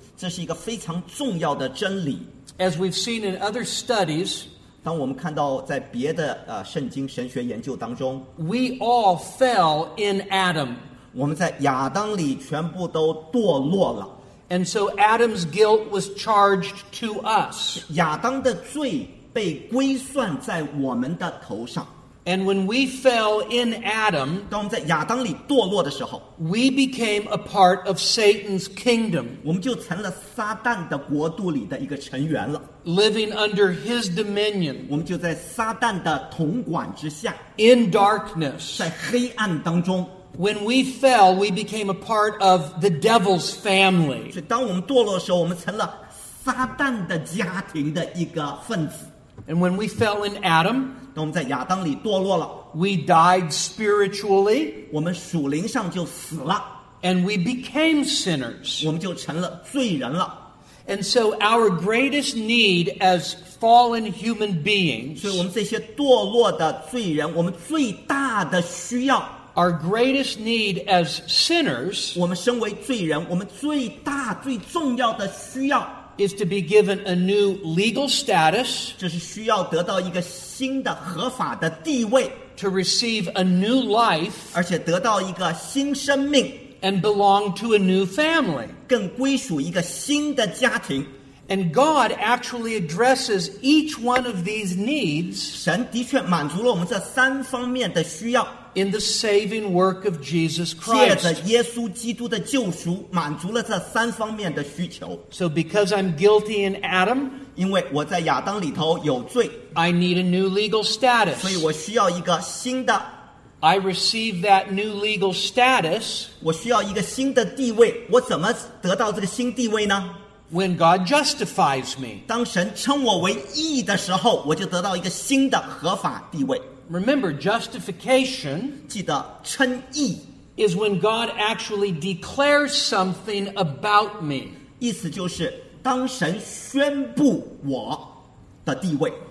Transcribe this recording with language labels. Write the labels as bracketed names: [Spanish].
[Chinese] 这是一个非常重要的真理。 [English] As we've seen in other studies, [Chinese] 当我们看到在别的, 圣经神学研究当中, [English] we all fell in Adam. [Chinese] 我们在亚当里全部都堕落了。 [English] And so Adam's guilt was charged to us. [Chinese] 亚当的罪被归算在我们的头上。 [English] And when we fell in Adam, [Chinese] 当我们在亚当里堕落的时候, [English] we became a part of Satan's kingdom. [Chinese] 我们就成了撒旦的国度里的一个成员了。 [English] Living under his dominion. [Chinese] 我们就在撒旦的统管之下。 [English] In darkness. [Chinese] 在黑暗当中。 [English] When we fell, we became a part of the devil's family. [Chinese] 所以当我们堕落的时候, 我们成了撒旦的家庭的一个分子。 [English] And when we fell in Adam, [Chinese] 当我们在亚当里堕落了, [English] we died spiritually. [Chinese] 我们属灵上就死了。 [English] And we became sinners. [Chinese] 我们就成了罪人了。 [English] And so our greatest need as fallen human beings, [Chinese] 所以我们这些堕落的罪人, 我们最大的需要, [English] our greatest need as sinners [Chinese] 我们身为罪人, 我们最大最重要的需要, [English] is to be given a new legal status [Chinese] 就是需要得到一个新的合法的地位, [English] to receive a new life [Chinese] 而且得到一个新生命, [English] and belong to a new family [Chinese] 更归属一个新的家庭。 [English] And God actually addresses each one of these needs [Chinese] 神的确满足了我们这三方面的需要, [English] in the saving work of Jesus Christ. [Chinese] 借着耶稣基督的救赎, 满足了这三方面的需求。 [English] So because I'm guilty in Adam, [Chinese] 因为我在亚当里头有罪, [English] I need a new legal status. [Chinese] 所以我需要一个新的, [English] I receive that new legal status. [Chinese] 我需要一个新的地位, 我怎么得到这个新地位呢? [English] When God justifies me. [Chinese] 当神称我为义的时候, 我就得到一个新的合法地位。 [English] Remember, justification [Chinese] 记得称义, [English] is when God actually declares something about me. [Chinese] 意思就是当神宣布我的地位。